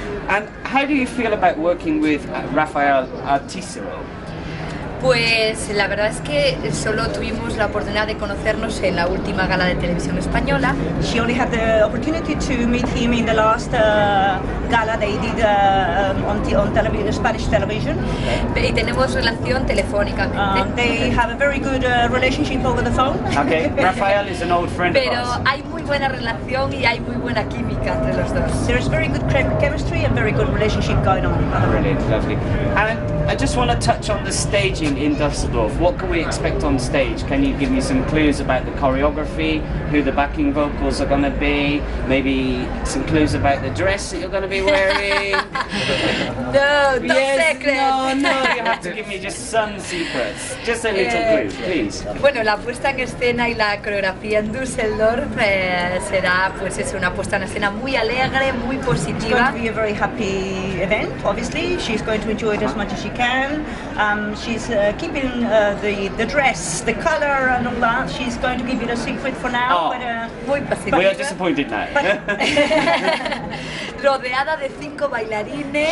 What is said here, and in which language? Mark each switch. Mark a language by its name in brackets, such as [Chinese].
[English] And how do you feel about working with Rafael Altísimo? [Spanish] Pues la verdad es que solo tuvimos la oportunidad de conocernos en la última gala de televisión española. [English] She only had the opportunity to meet him in the last gala they did on Spanish television. [Spanish] Y tenemos relación telefónica. [English] They have a very good relationship over the phone. Okay, Rafael is an old friend [Spanish] Pero [English] of us. [Spanish] Pero hay muy buena relación y hay muy buena química entre los dos. [English] There is very good chemistry and very good relationship going on. Brilliant, lovely. And I just want to touch on the stage in Düsseldorf. What can we expect on stage? Can you give me some clues about the choreography, who the backing vocals are going to be, maybe some clues about the dress that you're going to be wearing? No, no secret. No, no, you have to give me just some secrets. Just a little clue, please. [Spanish] Bueno, la puesta en escena y la coreografía en Düsseldorf será, pues es una puesta en escena muy alegre, muy positiva. [English] It's going to be a very happy event, obviously. She's going to enjoy it as much as she can. She's keeping the dress, the color and all that. She's going to keep it a secret for now. We are disappointed now. [Spanish] Rodeada de cinco bailarines.